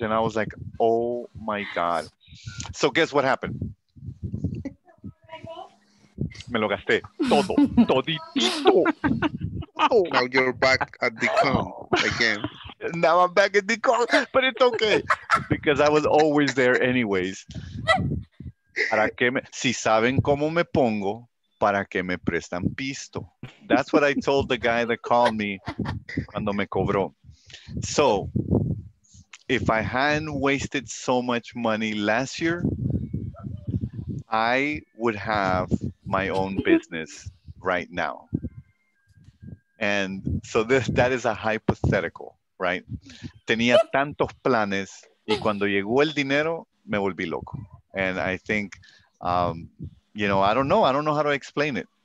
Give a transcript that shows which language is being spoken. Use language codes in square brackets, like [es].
[en] And I was like, oh, my God. So guess what happened? [es] Me lo gasté. Todo. Toditito. [en] Oh. Now you're back at the con again. Now I'm back at the con, but it's okay because I was always there anyways. [es] Para que me, si saben cómo me pongo, para que me prestan pisto. [en] That's what I told the guy that called me [es] cuando me cobró. [en] So, if I hadn't wasted so much money last year, I would have my own business right now. And so that is a hypothetical, right? [es] Tenía tantos planes y cuando llegó el dinero, me volví loco. [en] And I think, you know, I don't know how to explain it.